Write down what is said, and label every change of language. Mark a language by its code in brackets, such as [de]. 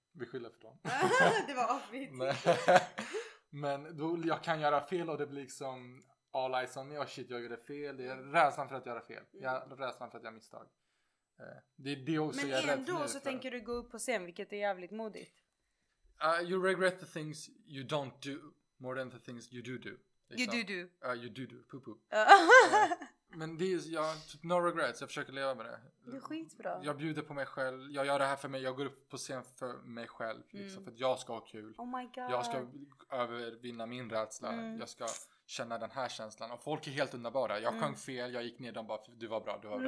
[sv] Vi skyller för dem. Det var off-beat. Men då, jag kan göra fel och det blir liksom... [en] All eyes on me. Oh shit, [sv] jag gjorde fel. Det är rädslan för att göra fel. Mm. Jag är rädslan för att jag misstag. Det också. Men ändå så tänker du gå upp på scen, vilket är jävligt modigt. [en] You regret the things you don't do more than the things you do do. [sv] Liksom. [en] You do do. You do do. Poo poo. [sv] Men det är, jag typ [en] no regrets, [sv] jag försöker leva med det. Det är skitbra. Jag bjuder på mig själv, jag gör det här för mig, jag går upp på scen för mig själv. Liksom, för att jag ska ha kul. [en] Oh my god. [sv] Jag ska övervinna min rädsla. Mm. Jag ska känna den här känslan. Och folk är helt underbara. Jag sjöng fel, jag gick ner, de bara, du var bra, du var bra.